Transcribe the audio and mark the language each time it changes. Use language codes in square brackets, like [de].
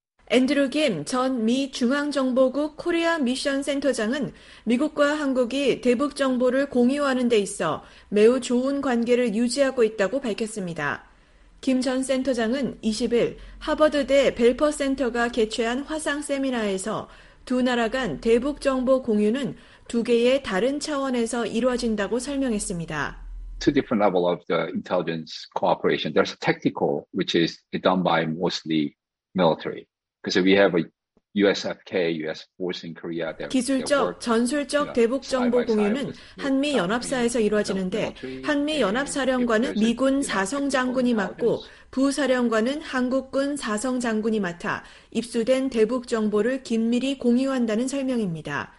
[ko] 앤드루 김 전 미 중앙정보국 코리아 미션 센터장은 미국과 한국이 대북 정보를 공유하는 데 있어 매우 좋은 관계를 유지하고 있다고 밝혔습니다. 김 전 센터장은 20일 하버드대 벨퍼 센터가 개최한 화상 세미나에서 두 나라 간 대북 정보 공유는 두 개의 다른 차원에서 이루어진다고 설명했습니다. [en] Two different level of the intelligence cooperation. There's a technical which is done by mostly military. Because we have a USFK, US force in Korea. [ko] 기술적, 전술적 대북 정보 공유는 한미 연합사에서 이루어지는데 한미 연합사령관은 미군 사성 장군이 맡고 부사령관은 한국군 사성 장군이 맡아 입수된 대북 정보를 긴밀히 공유한다는 설명입니다.